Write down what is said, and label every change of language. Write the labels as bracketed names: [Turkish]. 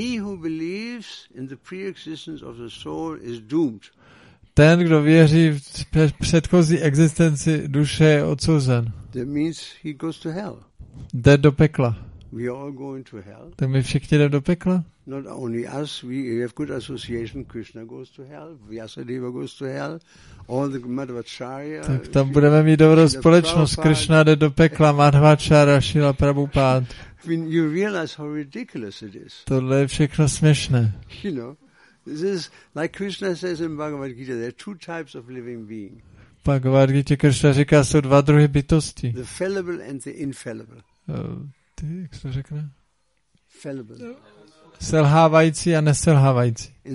[English] He who believes in the pre-existence of the soul is doomed. [Czech] Ten, kdo věří v předchozí existenci duše, je odsouzen. [English] That means he goes to hell. [Czech] Jde do pekla. [English] We all go into hell. [Czech] Tak my všichni jdeme do pekla. [English] Not only us, we have good association. Krishna goes to hell, Vyasadeva goes to hell, all the Madhvacharya. [Czech] Tak tam budeme mít dobrou společnost. Krishna jde do pekla, Madhvacharya, Šila Prabhupád. [English] I mean, you realize how ridiculous it is. [Czech] Tohle je všechno směšné. [English] You know. This is like Krishna says in Bhagavad Gita, there are two types of living being. [Czech] Bhagavad Gita Krishna říká, jsou dva druhy bytosti. [English] The fallible and the infallible. [Czech] Jak se to řekne? [English] Fallible. [Czech] selhávající a neselhávající.